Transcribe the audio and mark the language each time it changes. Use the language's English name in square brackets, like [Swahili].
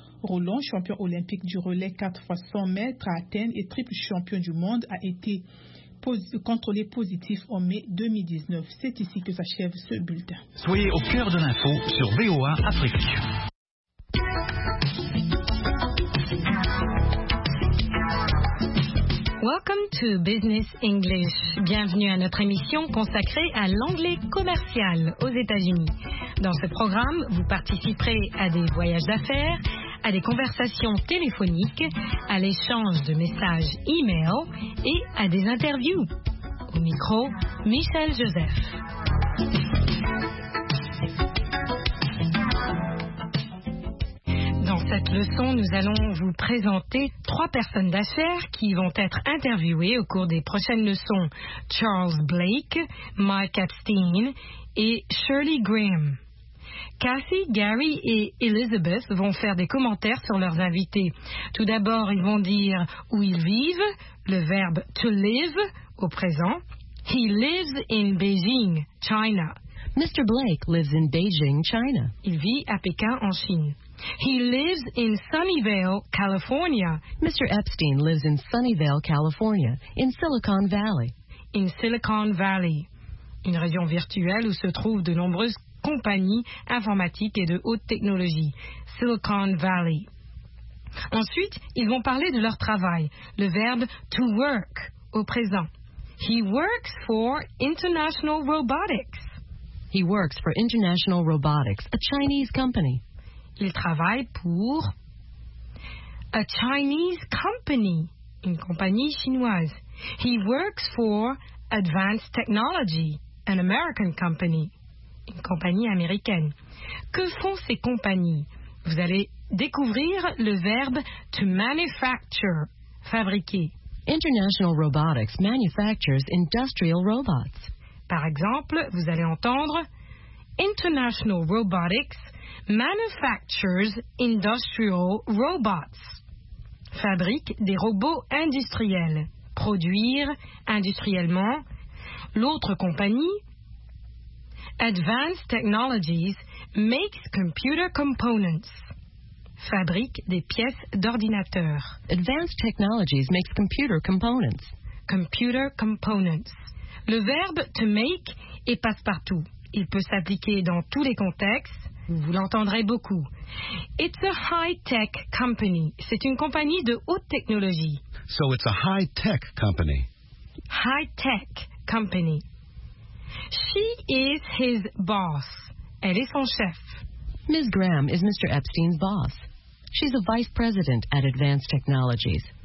[French] Roland, champion olympique du relais 4x100 mètres à Athènes et triple champion du monde, a été contrôlé positif en mai 2019. C'est ici que s'achève ce bulletin. Soyez au cœur de l'info sur VOA Afrique. [English] Welcome to Business English. [French] Bienvenue à notre émission consacrée à l'anglais commercial aux États-Unis. Dans ce programme, vous participerez à des voyages d'affaires, à des conversations téléphoniques, à l'échange de messages e-mail et à des interviews. Au micro, Michel Joseph. Cette leçon, nous allons vous présenter trois personnes d'affaires qui vont être interviewées au cours des prochaines leçons. Charles Blake, Mike Epstein et Shirley Graham. Cathy, Gary et Elizabeth vont faire des commentaires sur leurs invités. Tout d'abord, ils vont dire où ils vivent, le verbe to live au présent. [English] He lives in Beijing, China. Mr. Blake lives in Beijing, China. [French] Il vit à Pékin, en Chine. [English] He lives in Sunnyvale, California. Mr. Epstein lives in Sunnyvale, California, in Silicon Valley. [French] In Silicon Valley, une région virtuelle où se trouvent de nombreuses compagnies informatiques et de haute technologie. Silicon Valley. Ensuite, ils vont parler de leur travail, le verbe to work au présent. [English] He works for International Robotics. He works for International Robotics, a Chinese company. [French] Il travaille pour [English] a Chinese company, [French] une compagnie chinoise. [English] He works for Advanced Technology, an American company, [French] une compagnie américaine. Que font ces compagnies? Vous allez découvrir le verbe to manufacture, fabriquer. [English] International Robotics manufactures industrial robots. [French] Par exemple, vous allez entendre [English] International Robotics manufactures industrial robots. [French] Fabrique des robots industriels. Produire industriellement. L'autre compagnie, [English] Advanced Technologies makes computer components. [French] Fabrique des pièces d'ordinateur. [English] Advanced Technologies makes computer components. Computer components. [French] Le verbe to make est passe-partout. Il peut s'appliquer dans tous les contextes. Vous l'entendrez beaucoup. [English] It's a high-tech company. [French] C'est une compagnie de haute technologie. [English] So it's a high-tech company. High-tech company. She is his boss. [French] Elle est son chef. [English] Ms. Graham is Mr. Epstein's boss. She's a vice president at Advanced Technologies.